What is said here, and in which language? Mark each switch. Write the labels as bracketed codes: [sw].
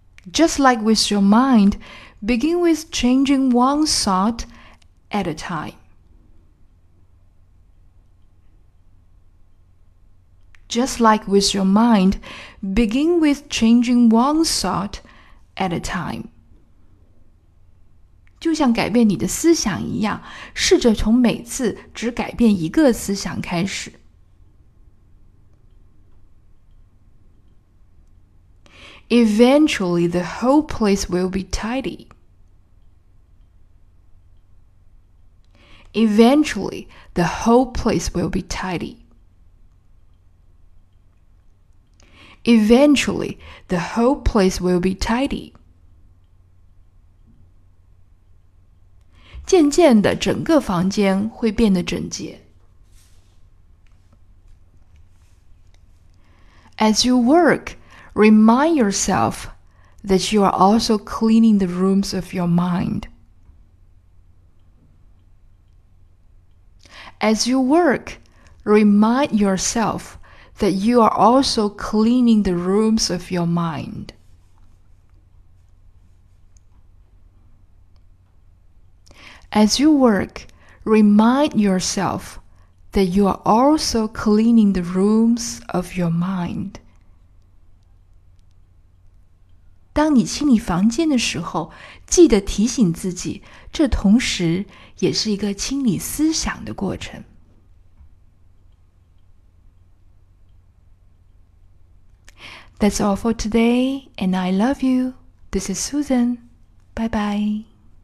[en] Just like with your mind, begin with changing one thought at a time. Just like with your mind, begin with changing one thought at a time. [zh] 就像改变你的思想一样，试着从每次只改变一个思想开始。 [en] Eventually, the whole place will be tidy. Eventually, the whole place will be tidy. Eventually, the whole place will be tidy. [zh] 渐渐的，整个房间会变得整洁。 [en] As you work, remind yourself that you are also cleaning the rooms of your mind. As you work, remind yourself that you are also cleaning the rooms of your mind. As you work, remind yourself that you are also cleaning the rooms of your mind. [zh] 当你清理房间的时候，记得提醒自己，这同时也是一个清理思想的过程。 [en] That's all for today, and I love you. This is Susan. Bye bye.